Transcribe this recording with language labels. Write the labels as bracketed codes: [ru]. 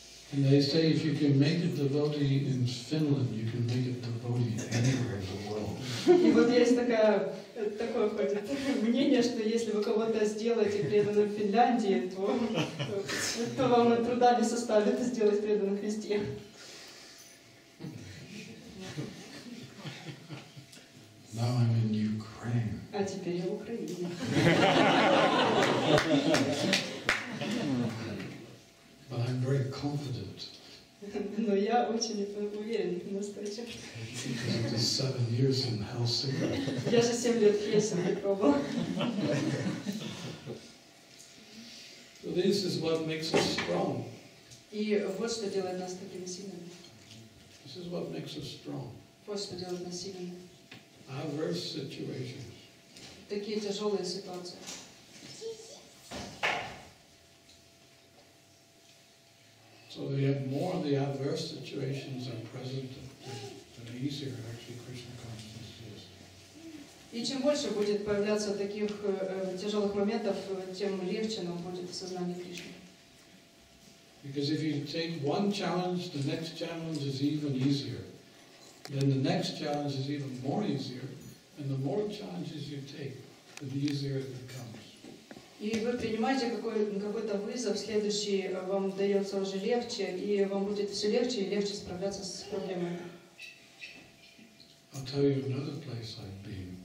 [en] And they say if you can make a devotee in Finland, you can make a devotee anywhere in the world. [ru] И вот есть такое ходит мнение, что если вы кого-то сделаете преданным в Финляндии, то вам труда не составит сделать преданным Христе. [en] Now I'm in Ukraine. [ru] А теперь я в Украине. [en] But I'm very confident. [ru] Но я очень уверен в настоящем. [en] Because it's 7 years in Helsinki. [ru] Я же 7 лет в Хельсинки пробовал. [en] So this is what makes us strong. [ru] И вот что делает нас такими сильными. [en] This is what makes us strong. [ru] Вот что делает нас сильными. [en] Adverse situations. [ru] Такие тяжелые ситуации. [en] So the more the adverse situations are present, the easier actually Krishna consciousness is. [ru] И чем больше будет появляться таких тяжелых моментов, тем легче нам будет сознание Кришны. [en] Because if you take one challenge, the next challenge is even easier. Then the next challenge is even more easier, and the more challenges you take, the easier it becomes. [ru] И вы принимаете какой-то вызов, следующий вам дается уже легче, и вам будет все легче и легче справляться с проблемой. [en] I'll tell you another place I've been.